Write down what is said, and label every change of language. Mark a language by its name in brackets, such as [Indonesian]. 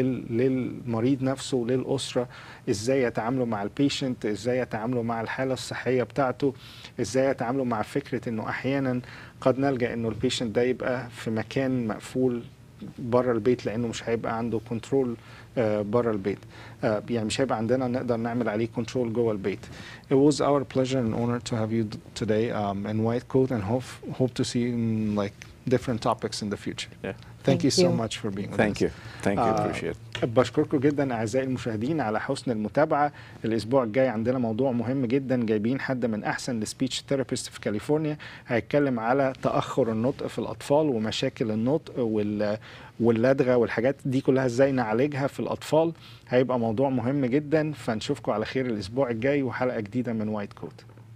[Arabic] للمريض نفسه وللأسرة، إزاي يتعاملوا مع البيشنت، إزاي يتعاملوا مع الحالة الصحية بتاعته، إزاي يتعاملوا مع فكرة إنه أحيانا قد نلجأ إنه البيشنت ده يبقى في مكان مقفول بره البيت لأنه مش هيبقى عنده كنترول بره البيت، يعني مش هيبقى عندنا نقدر نعمل عليه كنترول جوه البيت. [English] It was our pleasure and honor to have you today in white coat and hope to see you in like different topics in the future. Yeah. Thank you so much for being with us. Thank you. Appreciate it. [Arabic] بشكركم جدا أعزائي المشاهدين على حسن المتابعة. الأسبوع الجاي عندنا موضوع مهم جدا، جايبين حد من أحسن speech therapist في كاليفورنيا هيتكلم على تأخر النطق في الأطفال ومشاكل النطق واللدغة والحاجات دي كلها إزاي نعالجها في الأطفال. هيبقى موضوع مهم جدا، فنشوفكم على خير الأسبوع الجاي وحلقة جديدة من White Coat.